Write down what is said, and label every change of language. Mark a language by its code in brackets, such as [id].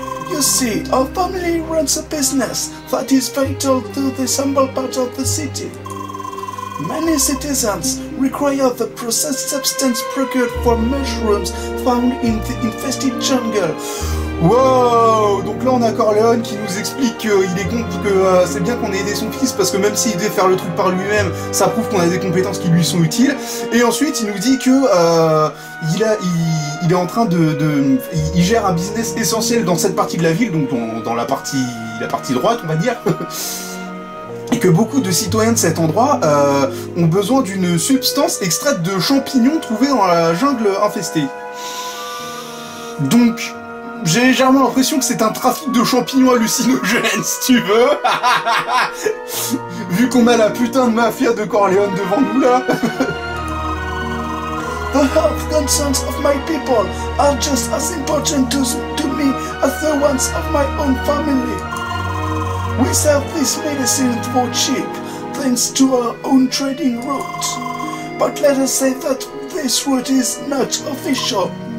[en] You see, our family runs a business that is vital to the humble part of the city. Many citizens require the processed substance procured from mushrooms found in the infested jungle. Wow! [fr] Donc là, on a Corleone qui nous explique qu'il est con, que c'est bien qu'on ait aidé son fils, parce que même s'il devait faire le truc par lui-même, ça prouve qu'on a des compétences qui lui sont utiles. Et ensuite, il nous dit que il est en train il gère un business essentiel dans cette partie de la ville, donc dans la partie droite, on va dire. Et que beaucoup de citoyens de cet endroit ont besoin d'une substance extraite de champignons trouvés dans la jungle infestée. Donc... J'ai légèrement l'impression que c'est un trafic de champignons hallucinogènes, si tu veux. Vu qu'on a la putain de mafia de Corleone devant nous là. [en] The health concerns of my people are just as important to me as the ones of my own family. We sell this medicine for cheap, thanks to our own trading route. But let us say that this route is not official.